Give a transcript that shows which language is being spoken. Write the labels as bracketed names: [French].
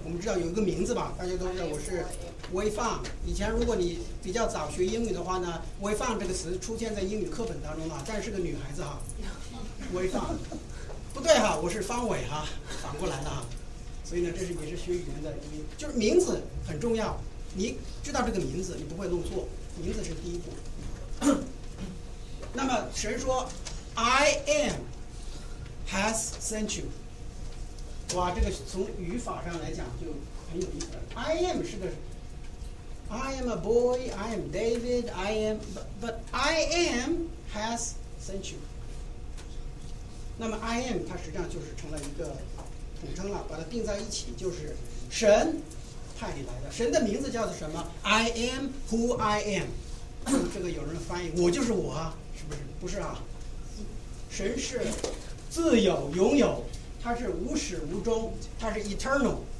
[Chinese] 我们知道有一个名字吧，大家都知道我是威放。以前如果你比较早学英语的话呢，威放这个词出现在英语课本当中了，但是个女孩子哈，威放不对哈，我是方伟哈，反过来的哈。所以呢这是也是学语言的，就是名字很重要，你知道这个名字你不会弄错，名字是第一步。 [English] 那么神说 I am has sent you。 [Chinese] 哇，这个从语法上来讲就很有意思了。 [English] I am 是个 I am a boy, I am David, I am but I am has sent you。 [Chinese] 那么 I am 它实际上就是成了一个统称了，把它定在一起，就是神派你来的。神的名字叫做什么？ I am who I am。这个有人翻译我就是我，是不是？不是啊，神是自有拥有，它是无始无终，它是 eternal。